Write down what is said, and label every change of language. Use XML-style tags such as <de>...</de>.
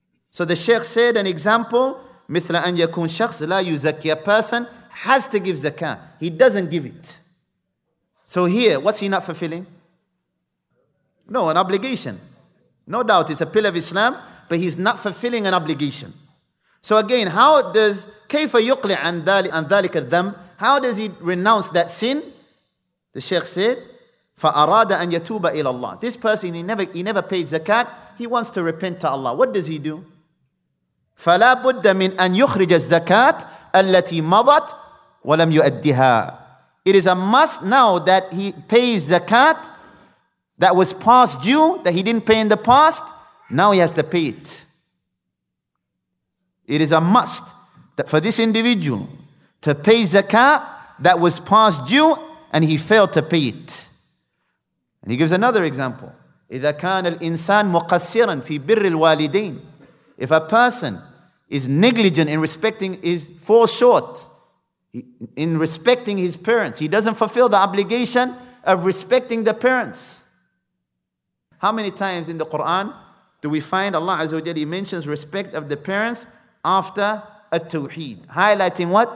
<en>So the Shaykh said an example,</en> <ar>مثل أن يكون شخص لا يزكي.</ar> <en>A person has to give zakat. He doesn't give it. So here, what's he not fulfilling? No, an obligation. No doubt, it's a pillar of Islam, but he's not fulfilling an obligation. So again, how does</en> <ar>كيف يقلع عن ذلك الذنب?</ar> <en>How does he renounce that sin? The Shaykh said,</en> <ar>فأراد أن يتوب إلى الله.</ar> <en>This person, he never paid zakat. He wants to repent to Allah. What does he do?</en> <ar>فلا بد من أن يخرج الزكاة التي مضت ولم يؤديها.</ar> <en>It is a must now that he pays zakat that was past due, that he didn't pay in the past. Now he has to pay it. It is a must that for this individual to pay zakat that was past due and he failed to pay it. And he gives another example.</en> <ar>إذا كان الإنسان مقصرا في بر الوالدين.</ar> <en>If a person is negligent in respecting, is falls short in respecting his parents. He doesn't fulfill the obligation of respecting the parents. How many times in the Quran do we find Allah Azza wa Jalla mentions respect of the parents after a tawheed? Highlighting what?</en>